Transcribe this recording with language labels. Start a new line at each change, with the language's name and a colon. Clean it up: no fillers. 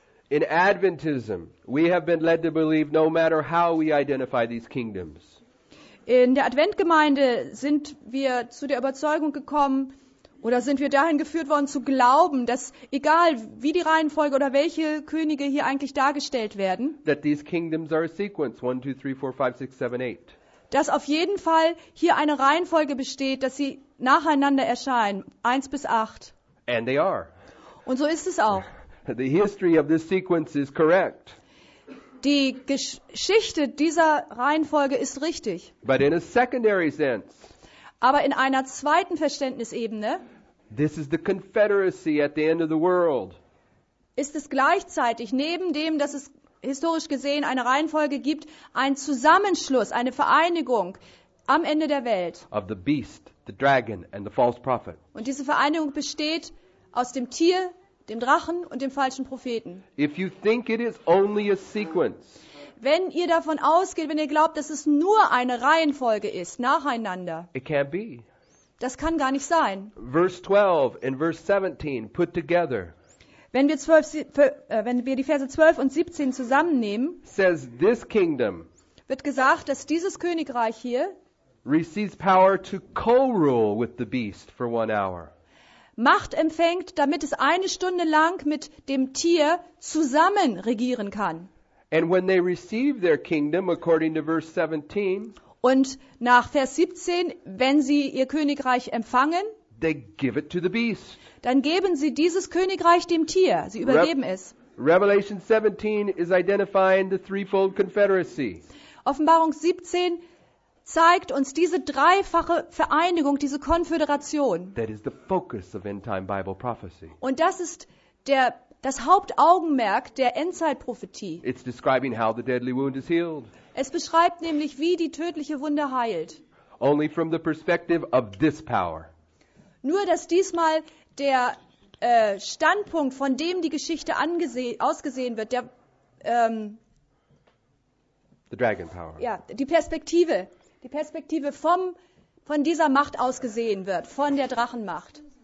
English: In Adventism, we have been led to believe no matter how we identify these kingdoms.
German: In der Adventgemeinde sind wir zu der Überzeugung gekommen oder sind wir dahin geführt worden zu glauben, dass egal wie die Reihenfolge oder welche Könige hier eigentlich dargestellt werden,
English: that these kingdoms are a sequence, 1, 2, 3, 4, 5, 6, 7, 8.
German: Dass auf jeden Fall hier eine Reihenfolge besteht, dass sie nacheinander erscheinen, 1 bis 8.
English: And they are.
German: Und so ist es auch.
English: The history of this sequence is correct.
German: Die Geschichte dieser Reihenfolge ist richtig.
English: But in a secondary sense,
German: aber in einer zweiten Verständnisebene,
English: this is the Confederacy at the end of the world.
German: Ist es gleichzeitig, neben dem, dass es historisch gesehen eine Reihenfolge gibt, ein Zusammenschluss, eine Vereinigung am Ende der Welt.
English: Of the beast, the dragon, and the false prophet.
German: Und diese Vereinigung besteht aus dem Tier, dem Drachen und dem falschen Propheten.
English: If you think it is only a sequence,
German: Wenn ihr davon ausgeht, wenn ihr glaubt, dass es nur eine Reihenfolge ist, nacheinander.
English: It can't be.
German: Das kann gar nicht sein.
English: Verse 12 and verse 17 put together.
German: Wenn wir die Verse 12 und 17 zusammennehmen,
English: says this kingdom
German: wird gesagt, dass dieses Königreich hier
English: receives power to co-rule with the beast for 1 hour.
German: Macht empfängt, damit es eine Stunde lang mit dem Tier zusammen regieren kann.
English: And when they receive their kingdom, according to verse 17,
German: und nach Vers 17, wenn sie ihr Königreich empfangen,
English: they give it to the beast.
German: Dann geben sie dieses Königreich dem Tier. Sie übergeben es.
English: Revelation 17 is identifying the threefold confederacy.
German: Offenbarung 17 zeigt uns diese dreifache Vereinigung, diese Konföderation.
English: That is the focus of end-time Bible prophecy.
German: Und das ist das Hauptaugenmerk der Endzeitprophetie.
English: It's describing how the deadly wound is healed.
German: Es beschreibt nämlich, wie die tödliche Wunde heilt.
English: Only from the perspective of this power.
German: Nur, dass diesmal der Standpunkt, von dem die Geschichte ausgesehen wird,
English: the dragon power.
German: Ja, die Perspektive von dieser Macht ausgesehen wird, von der Drachenmacht.